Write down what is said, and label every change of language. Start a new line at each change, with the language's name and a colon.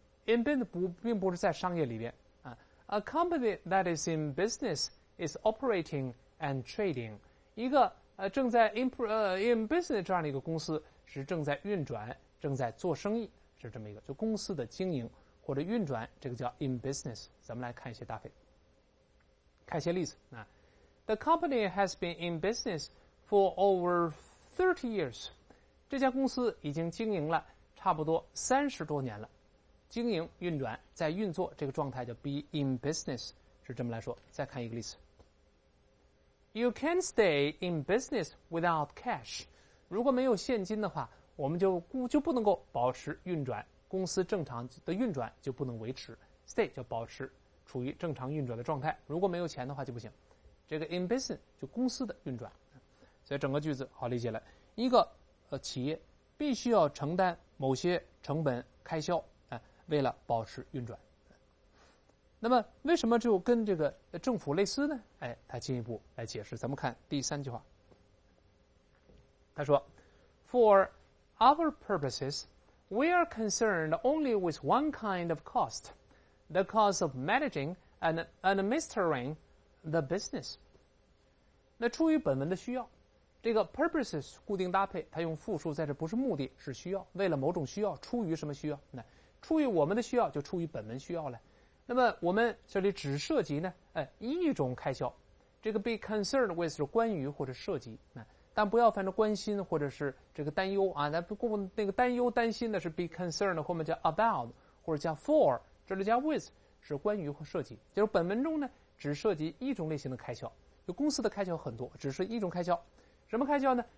Chinese: in business 并不是在商业里边啊。
English: a company that is in business is operating and trading，
Chinese: 一个正在 in business 这样的一个公司是正在运转正在做生意，是这么一个就公司的经营或者运转，这个叫 in business。咱们来看一些搭配，看一些例子啊。
English: The company has been in business for over 30 years.
Chinese: 这家公司已经经营了差不多30多年了。经营、运转、在运作这个状态叫 be in business， 是这么来说。再看一个例子。
English: You can't stay in business without cash.
Chinese: 如果没有现金的话，我们就不能够保持运转，公司正常的运转就不能维持。 Stay 叫保持，处于正常运转的状态，如果没有钱的话就不行。这个 in business 就公司的运转，所以整个句子好理解了。一个企业必须要承担某些成本开销啊，为了保持运转。那么为什么就跟这个政府类似呢？哎，他进一步来解释，咱们看第三句话，他说
English: For our purposes, we are concerned only with one kind of cost, the cost of managing and administering the business.
Chinese: 那出于本文的需要，这个 purposes 固定搭配，它用复数在这不是目的，是需要，为了某种需要，出于什么需要，那出于我们的需要就出于本文需要了。那么我们这里只涉及呢，一种开销，这个 be concerned with 是关于或者涉及，但不要犯着关心或者是这个担忧啊，那不过那个担忧担心的是 be concerned， 后面叫 about 或者叫 for， 这里加 with 是关于或涉及，就是本文中呢只涉及一种类型的开销，就公司的开销很多，只是一种开销，什么开销呢？